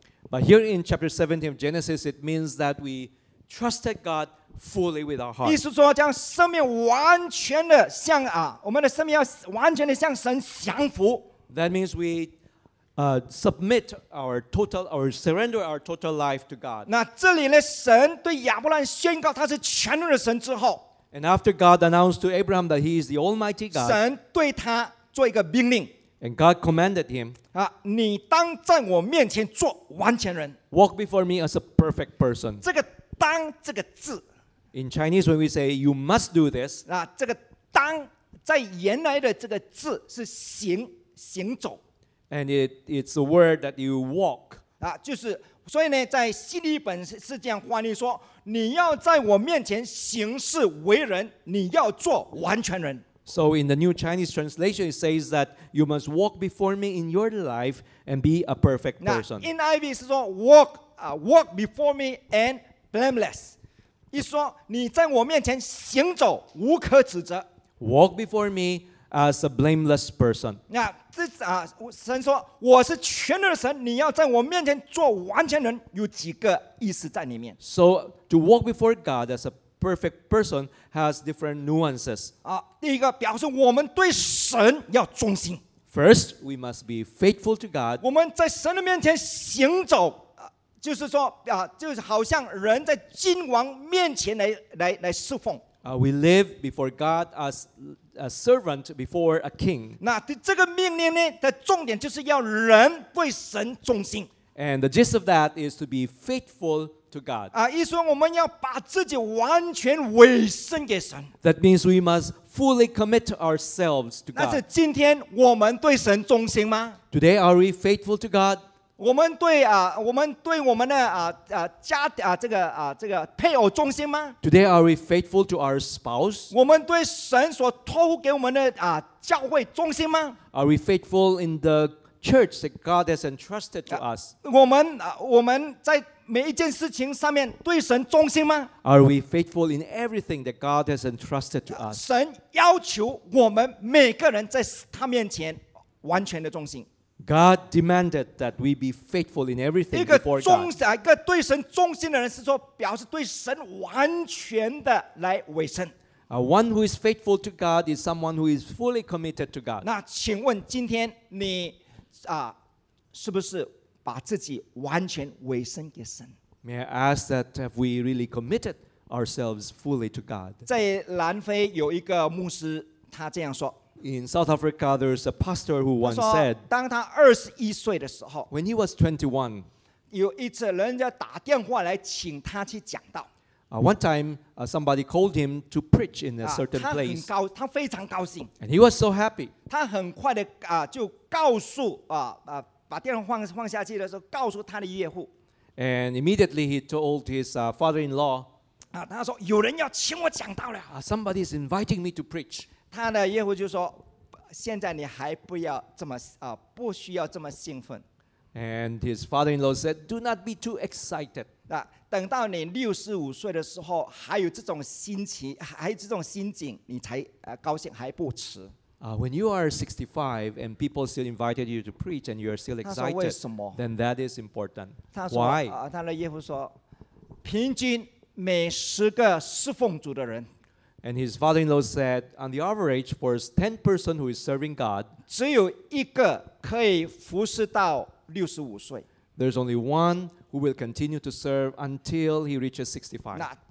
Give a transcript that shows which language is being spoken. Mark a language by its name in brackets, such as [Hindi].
[English] But here in chapter 17 of Genesis, it means that we trusted God fully with our heart. [Chinese] 意思说将生命完全的向我们的生命要完全的向神降服。 [English] That means we submit our total life to God. [Chinese] 那这里呢，神对亚伯兰宣告他是全能的神之后。 [English] And after God announced to Abraham that he is the Almighty God. [Chinese] 神对他做一个命令。 [English] And God commanded him, [Chinese] 你当在我面前做完全人。 [English] Walk before me as a perfect person. [Chinese] 这个当这个字。 [English] In Chinese, when we say you must do this, [Chinese] 这个当在原来的这个字是行走。 [English] And it's a word that you walk. [Chinese] 就是所以呢，在希律本是这样翻译说，你要在我面前行事为人，你要做完全人。 [English] So in the New Chinese translation, it says that you must walk before me in your life and be a perfect person. In NIV [Chinese] 是说 [English] walk before me and blameless. [Chinese] 意思说你在我面前行走无可指责。 [English] Walk before me as a blameless person. [Chinese] 神说我是全能的神，你要在我面前做完全人，有几个意思在里面。 [English] So to walk before God as a perfect person has different nuances. [Chinese] 第一个表示我们对神要忠心。 [English] First, we must be faithful to God. [Chinese] 我们在神的面前行走，就是说就是好像人在君王面前来侍奉。 [English] We live before God as a servant before a king. [Chinese] 那这个命令呢的重点就是要人对神忠心。 [English] And the gist of that is to be faithful to God. [Chinese] 意思说我们要把自己完全委身给神。 [English] That means we must fully commit ourselves to God. [Chinese] 那是今天我们对神忠心吗？ [English] Today are we faithful to God? [Chinese] 我们对我们的这个配偶忠心吗？ [English] Today are we faithful to our spouse? [Chinese] 我们对神所托付给我们的教会忠心吗？ [English] Are we faithful in the church that God has entrusted to us? [Chinese] 我们在每一件事情上面对神忠心吗？ [English] Are we faithful in everything that God has entrusted to us? [Chinese] 神要求我们每个人在他面前完全的忠心。 [English] God demanded that we be faithful in everything before God. [Chinese] 一个对神忠心的人是说, 表示对神完全的来委身。 [English] One who is faithful to God is someone who is fully committed to God. [Chinese] 那请问今天你, 是不是把自己完全委身给神? [English] May I ask that have we really committed ourselves fully to God? [Chinese] 在南非有一个牧师, 他这样说, [English] In South Africa, there is a pastor who once said, [Chinese] 当他21岁的时候, [English] When he was 21, [Chinese] 有一次人家打电话来请他去讲道, [English] One time, somebody called him to preach in a certain [Chinese] 他很高, [English] place. [Chinese] 他非常高兴, [English] and he was so happy. [Chinese] 他很快地, 就告诉, 把电话放下去的时候, 告诉他的业户, [English] and immediately he told his father-in-law, [Chinese] 他说, 有人要请我讲道了, [English] somebody is inviting me to preach. [Chinese] 他的业户就说, 现在你还不要这么, 不需要这么兴奋。 [English] And his father-in-law said, Do not be too excited. [Chinese] 等到你65岁的时候, 还有这种心情, 还有这种心境, 你才, 高兴, 还不迟。 [English] When you are 65 and people still invited you to preach and you are still excited, [Chinese] 他说为什么? [English] Then that is important. [Chinese] 他说, [English] Why? [Chinese] 他的业户说, 平均每10个侍奉主的人, [English] And his father-in-law said, on the average, for 10 person who is serving God, there's only one who will continue to serve until he reaches 65.